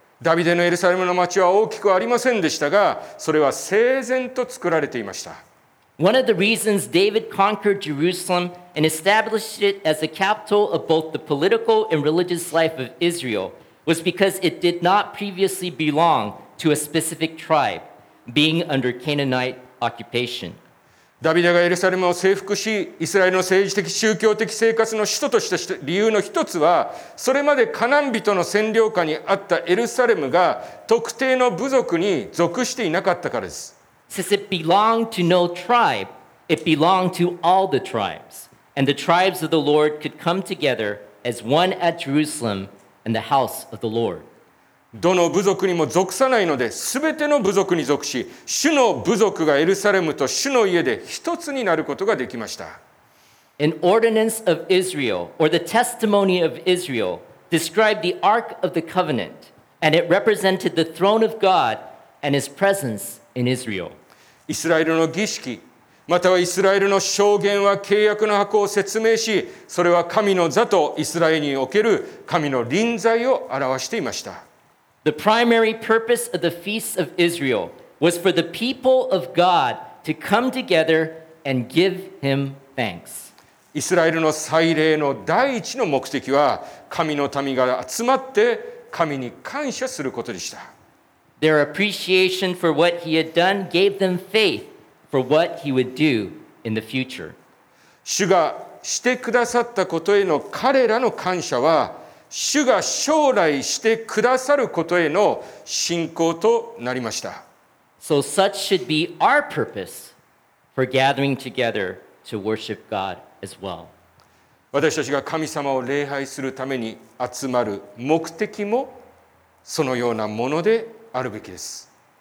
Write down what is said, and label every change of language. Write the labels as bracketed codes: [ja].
[ja] ダビデのエルサレムの町は大きくありませんでしたが、それは整然と作られていました。 [en] One of the reasons David conquered Jerusalem and established it as the capital of both the political and religious life of Israel. Was because it did not previously belong to a specific tribe, being under Canaanite occupation. [ja] ダビデがエルサレムを征服し、イスラエルの政治的宗教的生活の首都とした理由の一つは、それまでカナン人の占領下にあったエルサレムが特定の部族に属していなかったからです。 [en] Since it belonged to no tribe, it belonged to all the tribes, and the tribes of the Lord could come together as one at Jerusalem. And the house of the Lord. [ja] どの部族にも属さないので、すべての部族に属し、主の部族がエルサレムと主の家で一つになることができました。 [en] An ordinance of Israel, or the testimony of Israel, described the Ark of the Covenant, and it represented the throne of God and His presence in Israel. [ja] イスラエルの儀式、またはイスラエルの証言は契約の箱を説明し、それは神の座とイスラエルにおける神の臨在を表していました。 [en] The primary purpose of the feasts of Israel was for the people of God to come together and give him thanks. [ja] イスラエルの祭礼の第一の目的は、神の民が集まって神に感謝することでした。 [en] Their appreciation for what he had done gave them faith. For what he would do in the future. [ja] 主がしてくださったことへの彼らの感謝は、主が将来してくださることへの信仰となりました。 [en] So such should be our purpose for gathering together to worship God as well. [ja] 私たちが神様を礼拝するために集まる目的もそのようなものであるべきです。